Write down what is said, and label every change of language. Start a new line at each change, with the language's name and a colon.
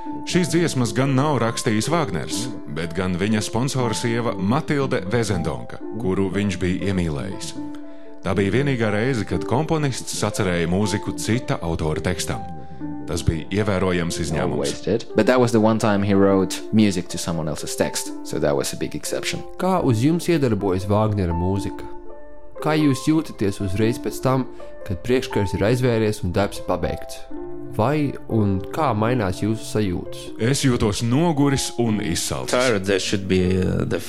Latvian: Šīs dziesmas gan nav rakstījis Vāgners, bet gan viņa sponsora sieva Matilde Vezendonka, kuru viņš bija iemīlējis. Tā bija vienīgā reize, kad komponists sacerēja mūziku cita autora tekstam. Tas bija ievērojams izņēmums.
English: But that was the one time he wrote music to someone else's text. So that was a big exception.
Latvian: Kā uz jums iedarbojas Vāgnera mūzika? Kā jūs jūtaties uzreiz pēc tam, kad priekškars ir aizvēries un darbs ir pabeigts? Vai un kā mainās jūsu sajūtas? Es jūtos noguris un izsalcis.
English: Tired, there should be the...